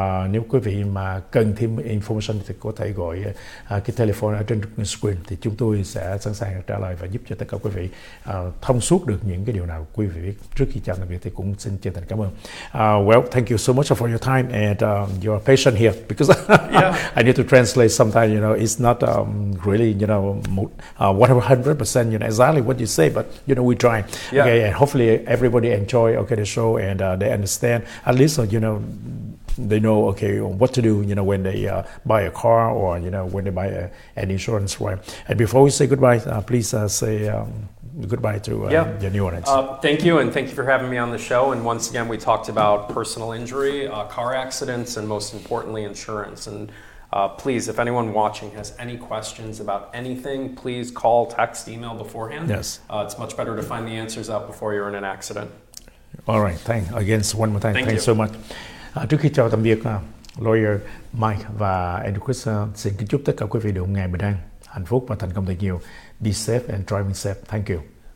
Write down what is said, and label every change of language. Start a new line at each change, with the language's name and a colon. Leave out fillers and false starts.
Vietnamese: Nếu quý vị mà cần thêm information thì có thể gọi cái telephone ở trên screen thì chúng tôi sẽ sẵn sàng trả lời và giúp cho tất cả quý vị thông suốt được những cái điều nào quý vị biết. Trước khi chào tạm biệt thì cũng xin chân thành cảm ơn.
English: Well, thank you so much for your time and your patience here because yeah. I need to translate sometimes, you know, it's not really, you know, 100% you know exactly what you say, but you know we try. Yeah. Okay, and hopefully everybody enjoy okay the show and they understand at least, you know, they know okay what to do, you know, when they buy a car or, you know, when they buy an insurance, right? And before we say goodbye, please say goodbye to your new audience. Thank you, and thank you for having me on the show. And once again, we talked about personal injury, car accidents, and most importantly, insurance. And please, if anyone watching has any questions about anything, please call, text, email beforehand. Yes. It's much better to find the answers out before you're in an accident. All right. Thanks. Again, one more time. Thank you so much.
Vietnamese: Trước khi chào tạm biệt, lawyer Mike và Andrew Chris, xin kính chúc tất cả quý vị được một ngày bình an, hạnh phúc và thành công thật nhiều.
English: Be safe and driving safe. Thank you.